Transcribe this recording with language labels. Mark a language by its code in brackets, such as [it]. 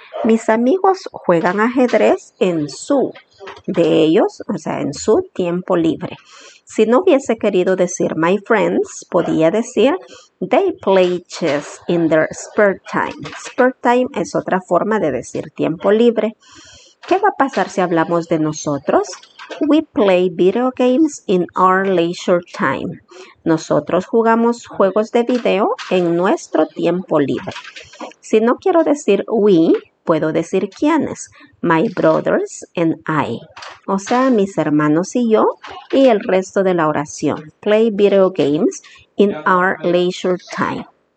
[es] Mis amigos juegan ajedrez en su, de ellos, o sea, en su tiempo libre. Si no hubiese querido decir [en] my friends, [es] podía decir [en] they play chess in their spare time. [es] Spare time es otra forma de decir tiempo libre. ¿Qué va a pasar si hablamos de nosotros? [en] We play video games in our leisure time. [es] Nosotros jugamos juegos de video en nuestro tiempo libre. Si no quiero decir we, puedo decir quiénes. [en] My brothers and I. [es] O sea, mis hermanos y yo y el resto de la oración. [en] Play video games in our leisure time.